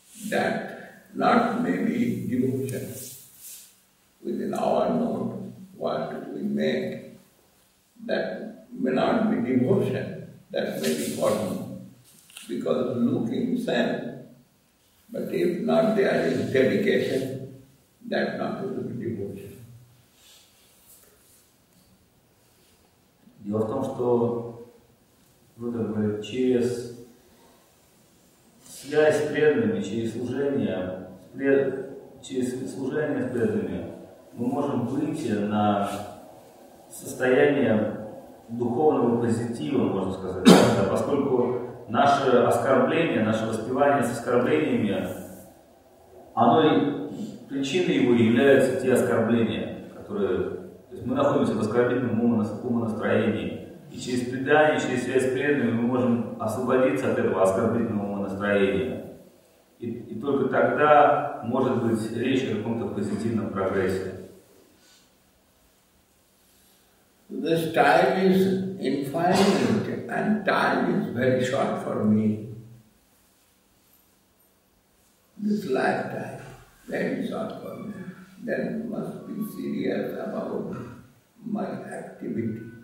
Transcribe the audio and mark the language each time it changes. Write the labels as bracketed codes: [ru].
[en] That not maybe devotion within our mode, what we make, that may not be devotion, that may be bottom, because looking same. But if not there is dedication, that not will be devotion. [ru] Дело в том, что через связь с преданными, через служение с преданными, мы можем выйти на состояние духовного позитива, можно сказать, поскольку наше оскорбление, наше воспевание с оскорблениями, оно и причиной его являются те оскорбления, которые. То есть мы находимся в оскорбительном умонастроении. И через предание, через связь с преданными мы можем освободиться от этого оскорбительного настроения. И только тогда может быть речь о каком-то позитивном прогрессе. [en] This time is infinite and time is very short for me. This lifetime very short for me. Then must be serious about my activity.